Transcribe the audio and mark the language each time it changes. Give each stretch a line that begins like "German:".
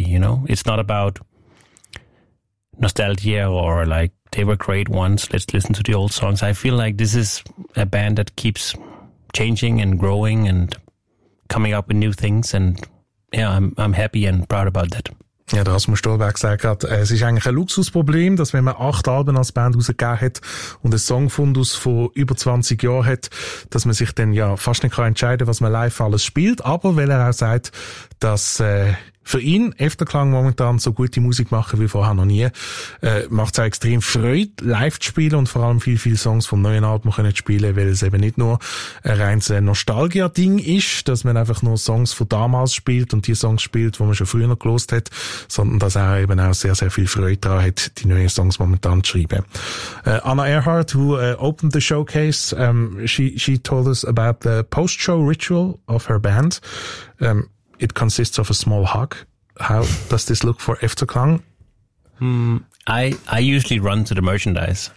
English: You know, it's not about nostalgia or like they were great once. Let's listen to the old songs. I feel like this is a band that keeps changing and growing and coming up with new things, and yeah, I'm happy and proud about that.
German: Ja, der Rasmus Stolberg gesagt hat, es ist eigentlich ein Luxusproblem, dass wenn man 8 Alben als Band rausgegeben hat und einen Songfundus von über 20 Jahren hat, dass man sich dann ja fast nicht entscheiden kann, was man live alles spielt, aber weil er auch sagt, dass für ihn Efterklang momentan so gute Musik machen wie vorher noch nie. Macht es auch extrem Freude, live zu spielen und vor allem viel, viel Songs vom neuen Album können spielen, weil es eben nicht nur ein reines Nostalgia-Ding ist, dass man einfach nur Songs von damals spielt und die Songs spielt, die man schon früher noch gelost hat, sondern dass er eben auch sehr, sehr viel Freude daran hat, die neuen Songs momentan zu schreiben.
English: Anna Earhart, who opened the showcase, she told us about the post-show ritual of her band. It consists of a small hug. How does this look for Efterklang? I usually run to the merchandise.